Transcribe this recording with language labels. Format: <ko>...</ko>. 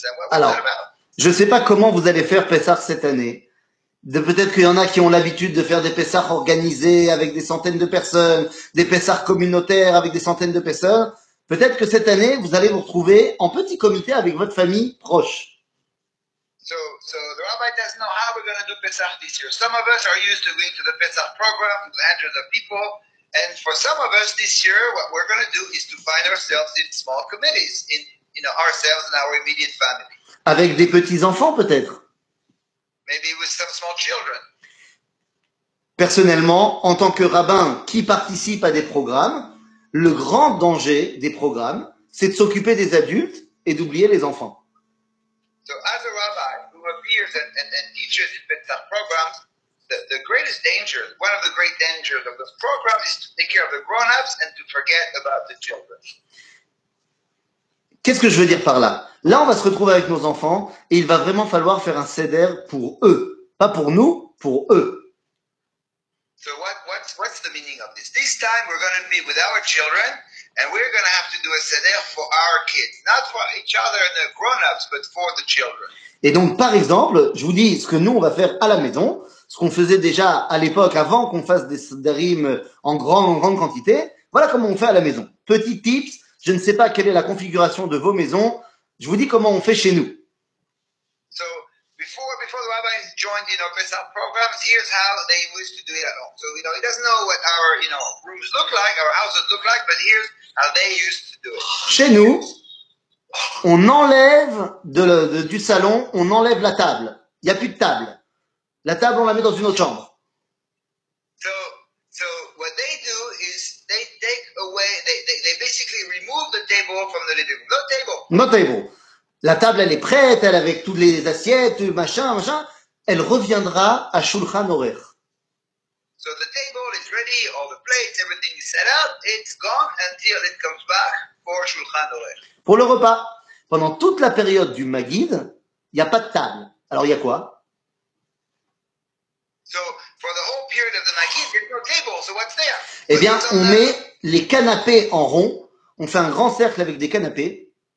<fr>Alors, je ne sais pas comment vous allez faire Pessah cette année. Peut-être qu'il y en a qui ont l'habitude de faire des Pessah organisés avec des centaines de personnes, des Pessah communautaires avec des centaines de personnes. Peut-être que cette année, vous allez vous retrouver en petit comité avec votre famille proche.</fr> <en>So the rabbi doesn't know how we're going to do Pesach this year. Some of us are used to going to the Pesach program with hundreds of people. And for some of us this year, what we're going to do is to find ourselves in small committees, ourselves and our immediate family.</en> <fr>Avec des petits-enfants, peut-être.</fr> <en>Maybe with some small children.</en> <fr>Personnellement, en tant que rabbin qui participe à des programmes, le grand danger des programmes, c'est de s'occuper des adultes et d'oublier les enfants.</fr> <en>So as a rabbi who appears and teaches in Pesach programs, the greatest danger, one of the great dangers of this program is to take care of the grown-ups and to forget about the children.</en> <fr>Qu'est-ce que je veux dire par là? Là, on va se retrouver avec nos enfants et il va vraiment falloir faire un seder pour eux. Pas pour nous, pour eux.</fr> <en>So what's the meaning of this? This time we're going to be with our children. And we're going to have to do a seder for our kids, not for each other and the grown-ups, but for the children.</en> <fr>Et donc, par exemple, je vous dis ce que nous, on va faire à la maison, ce qu'on faisait déjà à l'époque, avant qu'on fasse des sederim en grande quantité. Voilà comment on fait à la maison. Petit tips, je ne sais pas quelle est la configuration de vos maisons. Je vous dis comment on fait chez nous.</fr> <en>So, before the rabbi joined, Pesach programs, here's how they used to do it at home. So, he doesn't know what our, rooms look like, our houses look like, but here's how they used to do it.</en> <fr>Chez nous, on enlève du salon, on enlève la table. Il n'y a plus de table. La table, on la met dans une autre chambre.</fr> <en>So what they do is they take away, they basically remove the table from the living room. No table.</en> <fr>La table, elle est prête, elle avec toutes les assiettes, machin. Elle reviendra à Shulchan Orer.</fr> <en>So the table is ready, all the plates, everything is set up. It's gone until it comes back for Shulchan Orer.</en> <fr>Pour le repas, pendant toute la période du Magid, il n'y a pas de table. Alors, il y a quoi?</fr> <en>So, for the whole period of the Magid, there's no table. So, what's there?</en> <fr>Eh bien, on met les canapés en rond. On fait un grand cercle avec des canapés.</fr>